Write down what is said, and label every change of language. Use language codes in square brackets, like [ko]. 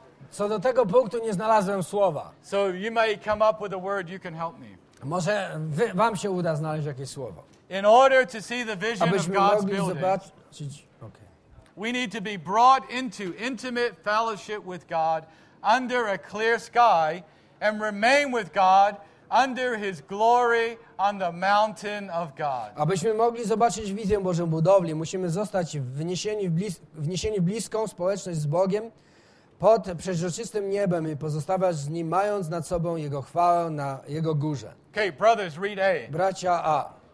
[pl] Co do tego punktu nie znalazłem słowa. [en] So you may come up with a word, you can help me. [pl] Może wam się uda znaleźć jakieś słowo. [en] In order to see the vision [pl] abyśmy [en] of God's [pl] mogli [en] building, okay. We need to be brought into intimate fellowship with God under a clear sky and remain with God under his glory on the mountain of God. [pl] Abyśmy mogli zobaczyć wizję Bożą budowli, musimy zostać wniesieni w bliską społeczność z Bogiem pod przeźroczystym niebem i pozostawasz z nim, mając nad sobą jego chwałę na jego górze. [en] Okay, brothers, read A. [pl] Bracia A.